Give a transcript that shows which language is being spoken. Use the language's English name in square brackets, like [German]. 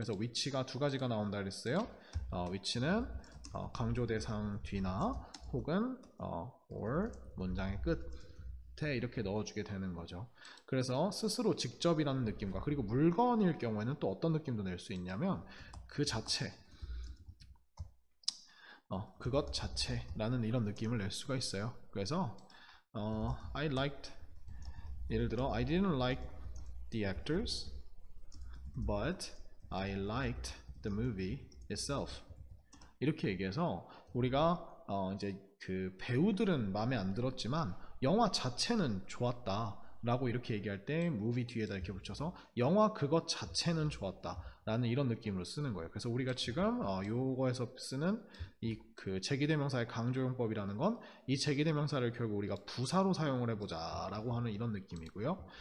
[Korean] 그래서 위치가 두 가지가 나온다 그랬어요. 위치는 강조 대상 뒤나 혹은 or 문장의 끝에 이렇게 넣어주게 되는 거죠. 그래서 스스로 직접이라는 느낌과 그리고 물건일 경우에는 또 어떤 느낌도 낼수 있냐면 그 자체 그것 자체라는 이런 느낌을 낼 수가 있어요. 그래서 [English] I liked, [Korean] 예를 들어, [English] I didn't like the actors, but I liked the movie itself. [Korean] 이렇게 얘기해서 우리가 이제 그 배우들은 마음에 안 들었지만 영화 자체는 좋았다라고 이렇게 얘기할 때 movie 뒤에다 이렇게 붙여서 영화 그것 자체는 좋았다라는 이런 느낌으로 쓰는 거예요. 그래서 우리가 지금 요거에서 쓰는 이그 제기대명사의 강조용법이라는 건이 제기대명사를 결국 우리가 부사로 사용을 해보자라고 하는 이런 느낌이고요.